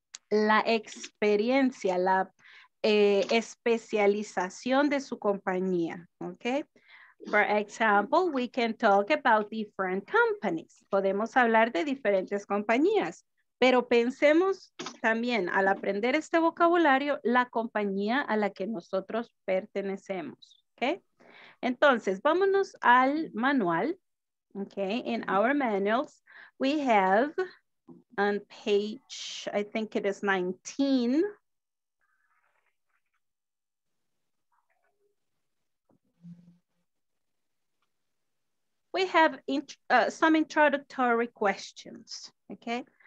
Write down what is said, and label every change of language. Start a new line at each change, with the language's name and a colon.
Spanish: La experiencia, la especialización de su compañía, okay?
English: For example, we can talk about different companies.
Spanish: Podemos hablar de diferentes compañías, pero pensemos también al aprender este vocabulario, la compañía a la que nosotros pertenecemos, okay? Entonces, vámonos al manual, okay?
English: In our manuals, we have on page, I think it is 19, we have some introductory questions, okay?